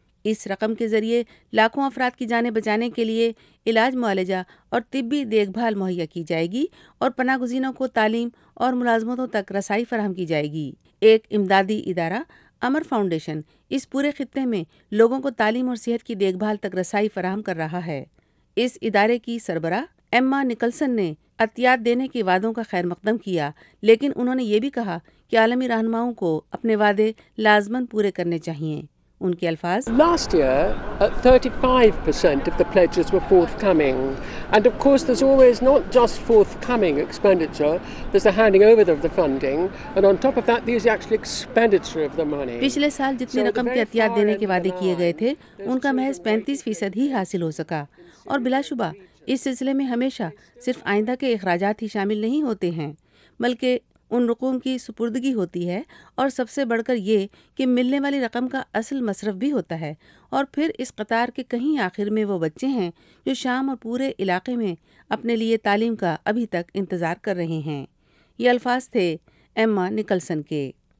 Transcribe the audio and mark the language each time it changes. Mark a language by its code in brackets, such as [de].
[ur] اس رقم کے ذریعے لاکھوں افراد کی جانیں بچانے کے لیے علاج معالجہ اور طبی دیکھ بھال مہیا کی جائے گی، اور پناہ گزینوں کو تعلیم اور ملازمتوں تک رسائی فراہم کی جائے گی۔ ایک امدادی ادارہ امر فاؤنڈیشن اس پورے خطے میں لوگوں کو تعلیم اور صحت کی دیکھ بھال تک رسائی فراہم کر رہا ہے۔ اس ادارے کی سربراہ ایما نکلسن نے عطیات دینے کے وعدوں کا خیر مقدم کیا، لیکن انہوں نے یہ بھی کہا کہ عالمی رہنماؤں کو اپنے وعدے لازماً پورے کرنے چاہیے۔ ان کے الفاظ، [en] Last year, 35% of the pledges were forthcoming. And of course, there's always not just forthcoming expenditure, there's the handing over of the funding, and on top of that, there's the actual expenditure of the money. [ur] پچھلے سال جتنی رقم کے عطیات دینے کے وعدے کیے گئے تھے، ان کا محض 35% ہی حاصل ہو سکا۔ اور بلا شبہ، اس سلسلے میں ہمیشہ صرف آئندہ کے اخراجات ہی شامل نہیں ہوتے ہیں، بلکہ ان رقوم کی سپردگی ہوتی ہے، اور سب سے بڑھ کر یہ کہ ملنے والی رقم کا اصل مصرف بھی ہوتا ہے، اور پھر اس قطار کے کہیں آخر میں وہ بچے ہیں جو شام اور پورے علاقے میں اپنے لیے تعلیم کا ابھی تک انتظار کر رہے ہیں۔ یہ الفاظ تھے ایما نکلسن کے۔